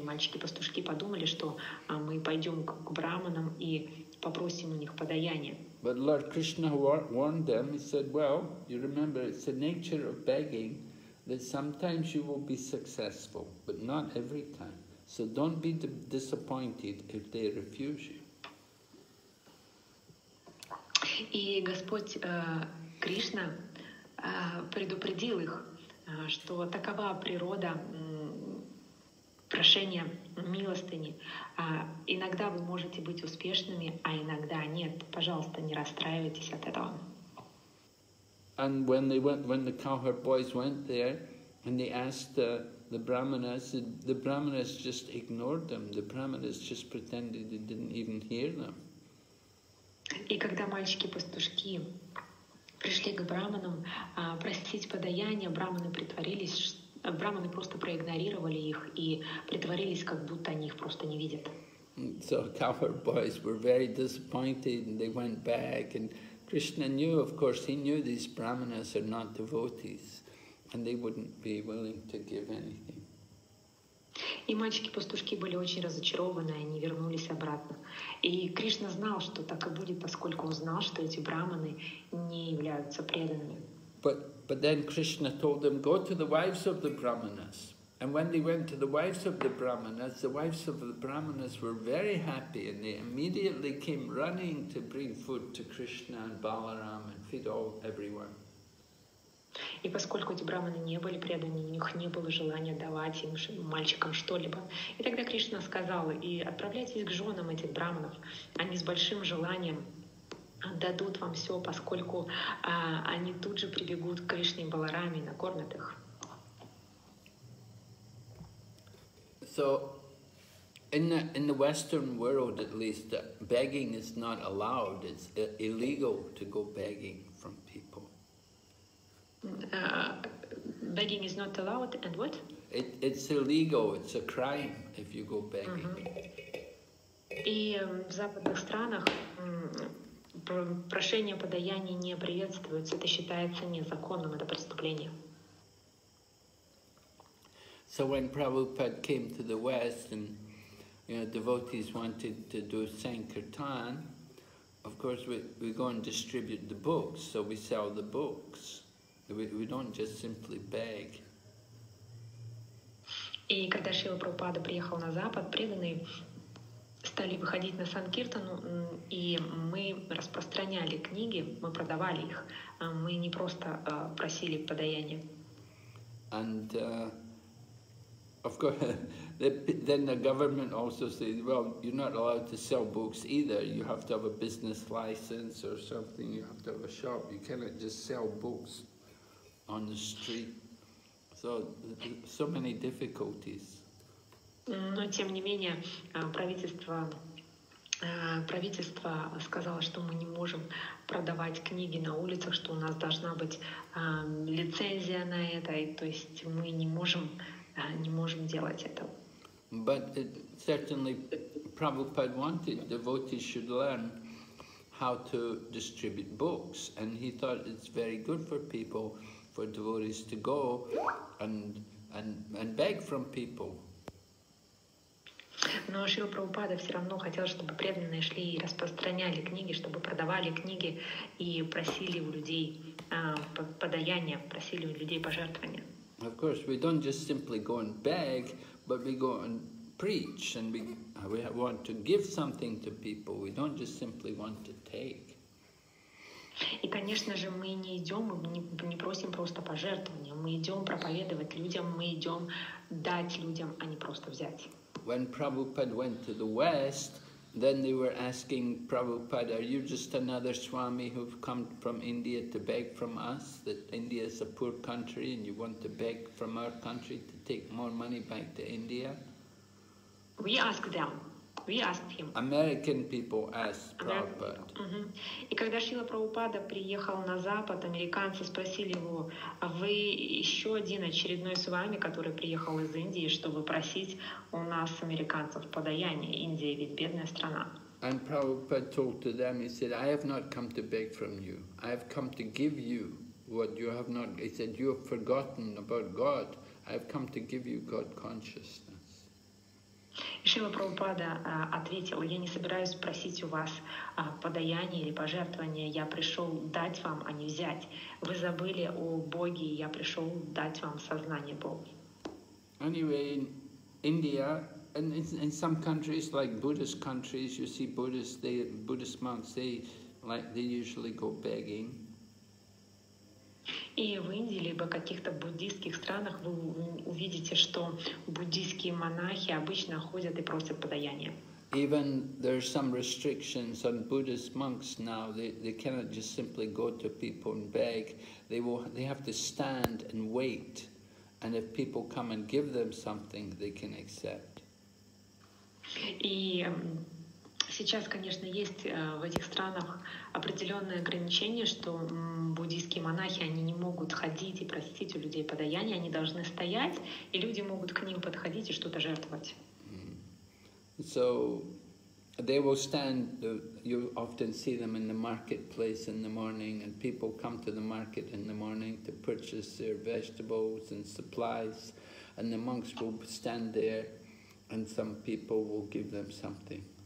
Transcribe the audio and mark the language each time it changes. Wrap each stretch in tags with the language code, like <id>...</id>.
<ru>И мальчики-пастушки подумали, что мы пойдем к брахманам и попросим у них подаяние.</ru> <en>But Lord Krishna warned them, he said, well, you remember, it's the nature of begging that sometimes you will be successful, but not every time. So don't be disappointed if they refuse you.</en> <ru>И Господь Кришна предупредил их, что такова природа прошения милостыни. Иногда вы можете быть успешными, а иногда нет. Пожалуйста, не расстраивайтесь от этого.</ru> <en>And when they went, when the cowherd boys went there, and they asked the brahmanas just ignored them. The brahmanas just pretended they didn't even hear them.</en> <ru>И когда мальчики-пастушки пришли к брахманам просить подаяния, брахманы просто проигнорировали их и притворились, как будто они их просто не видят.</ru> <en>So cowherd boys were very disappointed, and they went back, and Krishna knew, of course, he knew these brahmanas are not devotees, and they wouldn't be willing to give anything.</en> <ru>И мальчики-пастушки были очень разочарованы, они вернулись обратно. И Кришна знал, что так и будет, поскольку он знал, что эти брахманы не являются преданными.</ru> <en>But then Krishna told them, go to the wives of the brahmanas And when they went to the wives of the Brahmanas, the wives of the Brahmanas were very happy, and they immediately came running to bring food to Krishna and Balaram and feed all everyone.</en> <ru>И поскольку эти брахманы не были преданы, у них не было желания давать им мальчикам что-либо. И тогда Кришна сказал: «И отправляйтесь к женам этих брахманов. Они с большим желанием дадут вам все, поскольку они тут же прибегут к Кришне и Баларами и накормят их».</ru> <en>So, in the Western world, at least, begging is not allowed. It's illegal to go begging from people. Begging is not allowed, and what? It's illegal. It's a crime if you go begging.</en> <ru>И в западных странах прошение подаяния не приветствуется. Это считается незаконным. Это преступление.</ru> <en>So when Prabhupada came to the West, and you know, devotees wanted to do sankirtan, of course we go and distribute the books. So we sell the books. We don't just simply beg.</en> <ru>И когда Шрила Прабхупада приехал на Запад, преданные стали выходить на санкиртану, и мы распространяли книги, мы продавали их. Мы не просто просили подаяния.</ru> <en>And of course, then the government also said, well, you're not allowed to sell books either. You have to have a business license or something. You have to have a shop. You cannot just sell books on the street. So many difficulties.</en> <ru>Но тем не менее, правительство сказало, что мы не можем продавать книги на улицах, что у нас должна быть лицензия на это, и то есть мы не можем делать это.</ru> <en>But certainly Prabhupada wanted devotees should learn how to distribute books, and he thought it's very good for people, for devotees to go and beg from people.</en> <ru>Но Шрила Прабхупада все равно хотел, чтобы преданные шли и распространяли книги, чтобы продавали книги и просили у людей подаяния, просили у людей пожертвования.</ru> <en>Of course, we don't just simply go and beg, but we go and preach, and we want to give something to people. We don't just simply want to take.</en> <ru>И, конечно же, мы не идем, мы не просим просто пожертвования. Мы идем проповедовать людям, мы идем дать людям, а не просто взять.</ru> <en>When Prabhupada went to the West, then they were asking Prabhupada, are you just another Swami who've come from India to beg from us? That India is a poor country and you want to beg from our country to take more money back to India? We asked him. American people asked Prabhupada.</en> <ru>И когда Шрила Прабхупада приехал на Запад, американцы спросили его: а вы еще один очередной с вами, который приехал из Индии, чтобы просить у нас американцев подаяние? Индия ведь бедная страна.</ru> <en>And Prabhupada told to them, he said, I have not come to beg from you. I have come to give you what you have not. He said, you have forgotten about God. I have come to give you God consciousness.</en> <ru>И Шрила Прабхупада ответил: я не собираюсь просить у вас подаяние или пожертвование, я пришел дать вам, а не взять. Вы забыли о Боге, я пришел дать вам сознание Бога.</ru> <en>Anyway, in India, and in some countries, like Buddhist countries, you see Buddhist monks, they usually go begging.</en> <ru>И в Индии либо каких-то буддийских странах вы увидите, что буддийские монахи обычно ходят и просят подаяния.</ru> <en>Even there are some restrictions on Buddhist monks now. They cannot just simply go to people and beg. They have to stand and wait. And if people come and give them something, they can accept.</en> <ru>И сейчас, конечно, есть в этих странах определенные ограничения, что буддийские монахи, они не могут ходить и просить у людей подаяния, они должны стоять, и люди могут к ним подходить и что-то жертвовать.</ru> <en>So they will stand, you often see them in the marketplace in the morning, and people come to the market in the morning to purchase their vegetables and supplies, and the monks will stand there, and some people will give them something.</en>